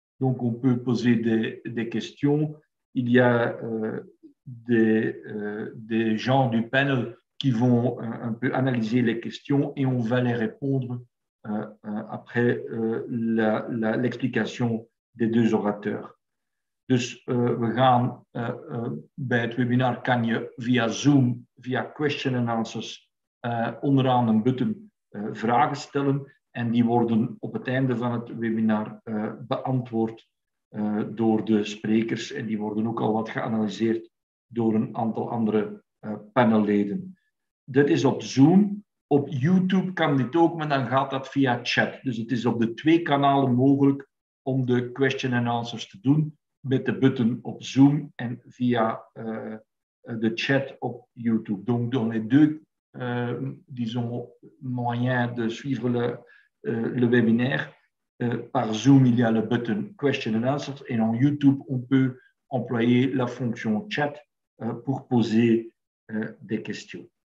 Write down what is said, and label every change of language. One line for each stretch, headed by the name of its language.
French: Donc, on peut poser des questions. Il y a des gens du panel qui vont un peu analyser les questions et on va les répondre après l'explication des deux orateurs.
Dutch: Dus we gaan bij het webinar kan je via Zoom, via question and answers, onderaan een button vragen stellen en die worden op het einde van het webinar beantwoord door de sprekers en die worden ook al wat geanalyseerd door een aantal andere panelleden. Dat is op Zoom. Op YouTube kan dit ook, maar dan gaat dat via chat. Dus het is op de twee kanalen mogelijk om de question and answers te doen met de button op Zoom en via de chat op YouTube.
French: Donc, dans les deux, disons, moyens de suivre le webinaire, par Zoom, il y a le button question and answers. Et en YouTube, on peut employer la fonction chat pour poser des questions.